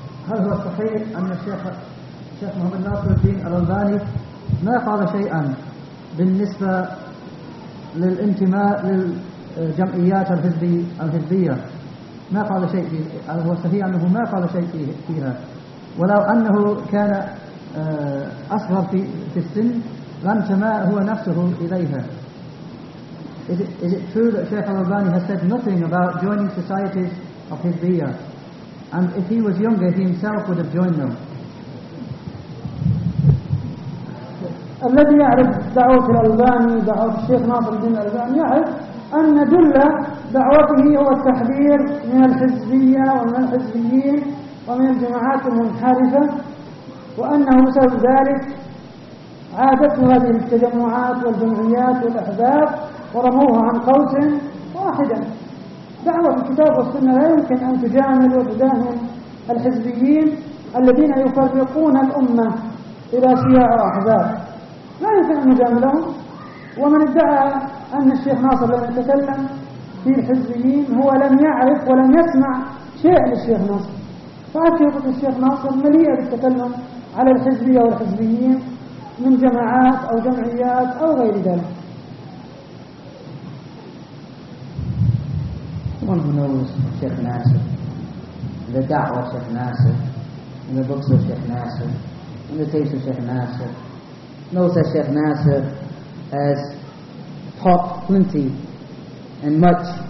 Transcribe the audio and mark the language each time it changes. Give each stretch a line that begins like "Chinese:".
Arabic: هل هو صحيح أن الشيخ محمد ناصر الدين الألباني ما قال شيئا بالنسبة للانتماء للجمعيات الحزبية؟ ما قال شيء فيه؟ هو صحيح أنه ما قال شيء فيها؟ ولو أنه كان أصغر في السن لانتماء هو نفسه إليها.
English: Is it true that Sheikh al-Albani has said nothing about joining societies of his Hizbiya? And if he was younger, he himself would have joined them.
Arabic: الذي يعرف دعوة الألباني دعوة الشيخ ناصر الدين الألباني يعرف أن دل دعوته هو التحذير من الحزبية ومن الحزبيين ومن الجماعات المنحرفة وأنه بسبب ذلك عادته هذه التجمعات والجمعيات والأحزاب ورموها عن قوس واحدا. دعوة الكتاب والسنة لا يمكن أن تجامل وتداهم الحزبيين الذين يفرقون الأمة إلى شيع وأحزاب. لا يمكن أن نجاملهم. ومن ادعى أن الشيخ ناصر لم يتكلم في الحزبيين هو لم يعرف ولم يسمع شيء للشيخ ناصر. فأشهد أن الشيخ ناصر مليئة بالتكلم على الحزبية والحزبيين من جماعات أو جمعيات أو غير ذلك.
English: One who knows Sheikh Nasser, the da'wah of Sheikh Nasser, and the books of Sheikh Nasser, and the taste of Sheikh Nasser, knows that Sheikh Nasser has taught plenty and much